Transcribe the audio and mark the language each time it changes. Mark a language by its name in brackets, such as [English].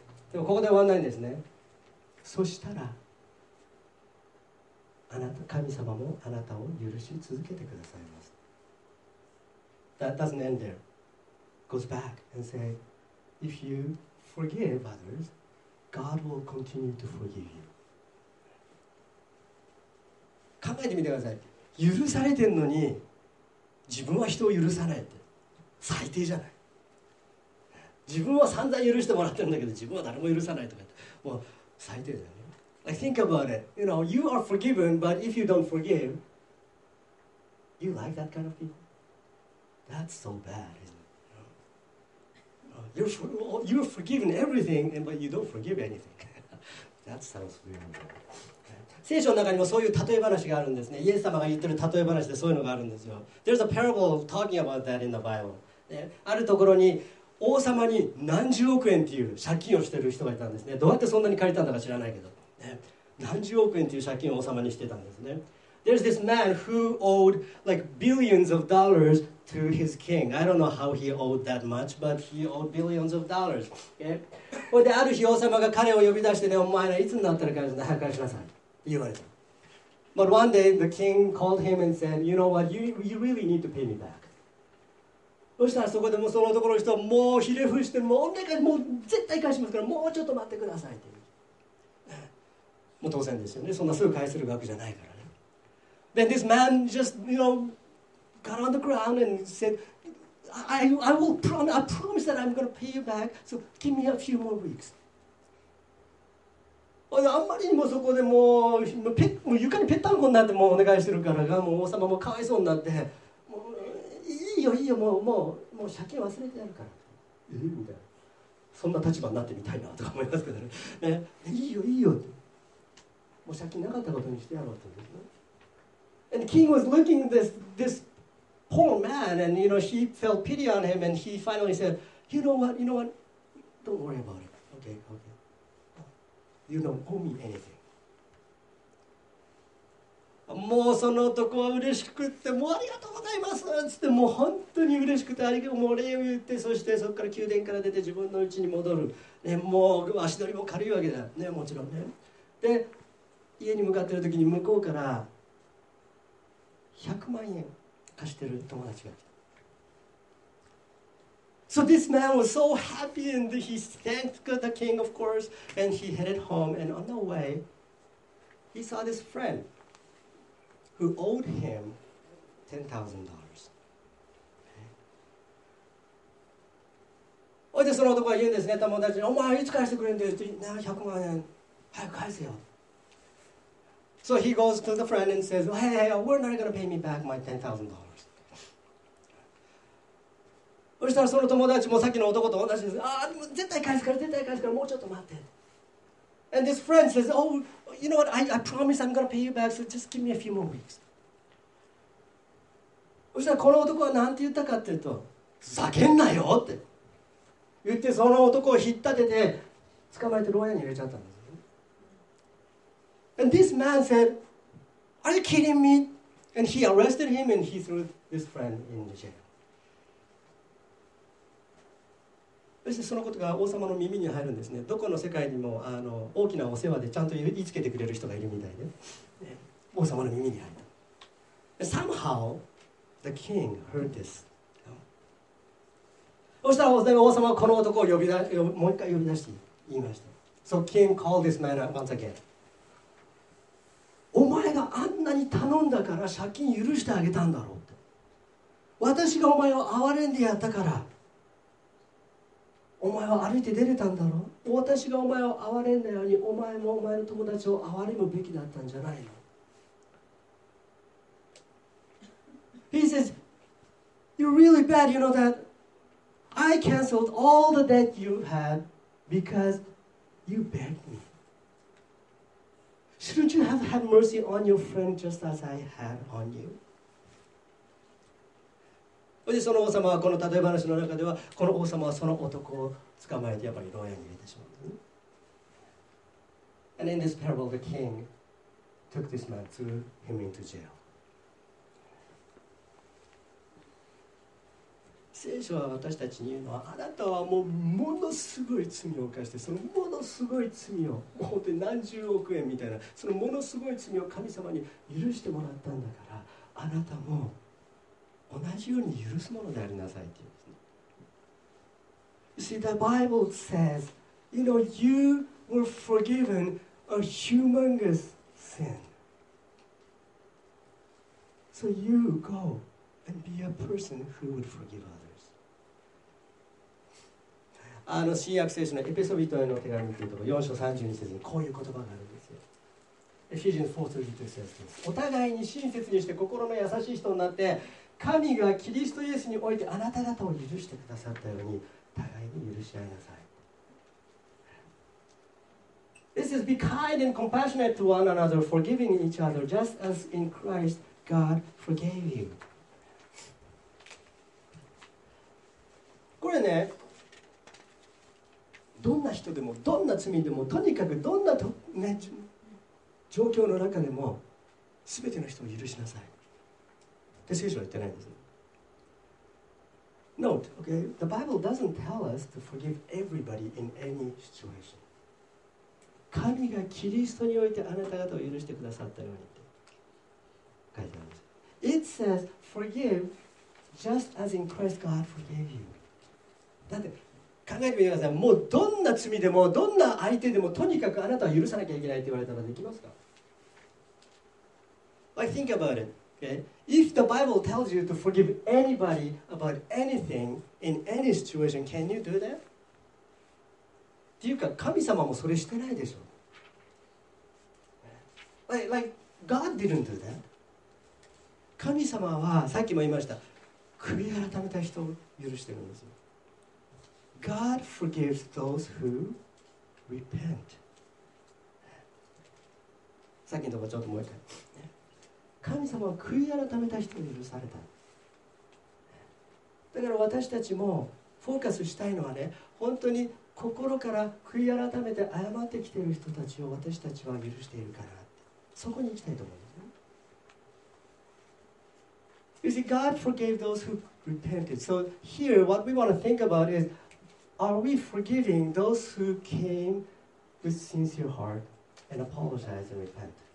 [Japanese] でもここで終わらないんですね。そしたらあなた、神様もあなたを許し続けてくださいます。 [English] That doesn't end there. Goes back and say, if you forgive others, God will continue to forgive you. [Japanese] 考えてみてください。許されてんのに自分は人を許さないって最低じゃない。自分は散々許してもらってるんだけど自分は誰も許さないとかって、もう最低だよね。 [English] I think about it. You know, you are forgiven, but if you don't forgive, you like that kind of people. That's so bad, isn't it? You're forgiven everything, but you don't forgive anything. That sounds weird. [Japanese] 聖書の中にもそういう例え話があるんですね。イエス様が言ってる例え話でそういうのがあるんですよ。 [English] There's a parable talking about that in the Bible.、 [Japanese] ね、あるところに王様に何十億円っていう借金をしてる人がいたんですね。どうやってそんなに借りたんだか知らないけど、ね、何十億円っていう借金を王様にしてたんですね。 [English] There's this man who owed like billions of dollars to his king. I don't know how he owed that much, but he owed billions of dollars. Okay? [Japanese] それである日王様が彼を呼び出してね、お前らいつになったら返すんだ、早く返しなさいって言われた。 [English] But one day the king called him and said, you know what, you really need to pay me back. [Japanese] そしたらそこでもそのところの人はもうひれ伏して、もうお願い、もう絶対返しますから、もうちょっと待ってくださいって。もう当然ですよね、そんなすぐ返せる額じゃないから。 [English] Then this man just, you know, got on the ground and said, I will promise, I promise that I'm going to pay you back, so give me a few more weeks. [Japanese] あんまりにもそこでもう、もう床にぺったんこになってもうお願いしてるからが、もう王様もかわいそうになって、もういいよいいよ、もう借金忘れてやるから、えみたいな、そんな立場になってみたいなとか思いますけどね、いいよいいよって、もう借金なかったことにしてやろうって、ね。 [English] And the king was looking at this poor man, and you know, he felt pity on him, and he finally said, you know what, don't worry about it, okay. You don't owe me anything. [Japanese] もうその男は嬉しくって、もうありがとうございますっつって、もう本当に嬉しくて、ありがとう、もう礼を言って、そしてそこから宮殿から出て自分の家に戻る。ね、もう足取りも軽いわけだよね、もちろんね。で、家に向かってる時に向こうから100万円貸してる友達が来た。 [English] So this man was so happy and he thanked the king, of course, and he headed home. And on the way, he saw this friend who owed him $10,000. [Japanese] おいでその男は言うんですね、友達に、お前いつ返してくれんだよって言って、100万円、早く返せよ。 [English] So he goes to the friend and says, hey, we're not going to pay me back my $10,000. [Japanese] そしたらその友達もさっきの男と同じです。ああ、でも絶対返すから、絶対返すから、もうちょっと待って。 [English] And this friend says, oh, you know what, I promise I'm going to pay you back, so just give me a few more weeks. [Japanese] そしたらこの男は何て言ったかっていうと、叫んなよって言って、その男を引っ立てて、捕まえて牢屋に入れちゃったんです。 [English] And this man said, are you kidding me? And he arrested him and he threw this friend in the jail. [Japanese] そしてそのことが王様の耳に入るんですね。どこの世界にも大きなお世話でちゃんと言いつけてくれる人がいるみたいで、ね、王様の耳に入った。 [English] Somehow, the king heard this. [Japanese] そしたら王様はこの男を呼び出して言いました。 [English] So king called this man once again. [Japanese] お前があんなに頼んだから借金許してあげたんだろうって。私がお前を憐れんでやったから、お前は歩いて出れたんだろう。私がお前を憐れんだように、お前もお前の友達を憐れむべきだったんじゃないの。 [English] He says, "You're really bad. You know that I canceled all the debt you had because you begged me. Shouldn't you have had mercy on your friend just as I had on you?" [Japanese] その王様はこの例え話の中では、この王様はその男を捕まえてやっぱり牢屋に入れてしまう。 [English] And in this parable, the king took this man, threw him into jail. [Japanese] 聖書は私たちに言うのは、あなたはもうものすごい罪を犯して、そのものすごい罪を、もう本当に何十億円みたいな、そのものすごい罪を神様に許してもらったんだから、あなたも同じように許すものでありなさいって言うんですね。 [English] You see, the Bible says, you know, you were forgiven a humongous sin. So you go and be a person who would forgive others. [Japanese] 新約聖書のエペソ人への手紙というところ、4章32節にこういう言葉があるんですよ。 [English] Ephesians 4:32 says this. [Japanese] お互いに親切にして心の優しい人になって、神がキリストイエスにおいてあなた方を許してくださったように互いに許し合いなさい。 [English] This is be kind and compassionate to one another, forgiving each other, just as in Christ God forgave you. [Japanese] これね、どんな人でも、どんな罪でも、とにかくどんな、ね、状況の中でも全ての人を許しなさいって聖書は言ってないんです。 [English] Note, okay, the Bible doesn't tell us to forgive everybody in any situation. [Japanese] 神がキリストにおいてあなた方を許してくださったようにって書いてあるんです。 [English] It says, forgive just as in Christ God forgave you. [Japanese] だって考えてみてください。もうどんな罪でも、どんな相手でも、とにかくあなたは許さなきゃいけないって言われたらできますか？ [English] I think about it. Okay? If the Bible tells you to forgive anybody about anything in any situation, can you do that? [Japanese] っていうか、神様もそれしてないでしょ。 [English] Like, God didn't do that. [Japanese] 神様は、さっきも言いました、悔い改めた人を許してるんですよ。 [English] God forgives those who repent. [Japanese] さっきのところちょっともう一回。神様は悔い改めた人を許された。だから私たちもフォーカスしたいのはね、本当に心から悔い改めて謝ってきている人たちを私たちは許しているからって、そこに行きたいと思うんですね。 [English] You see, God forgave those who repented. So here, what we want to think about is, are we forgiving those who came with sincere heart and apologize and repent?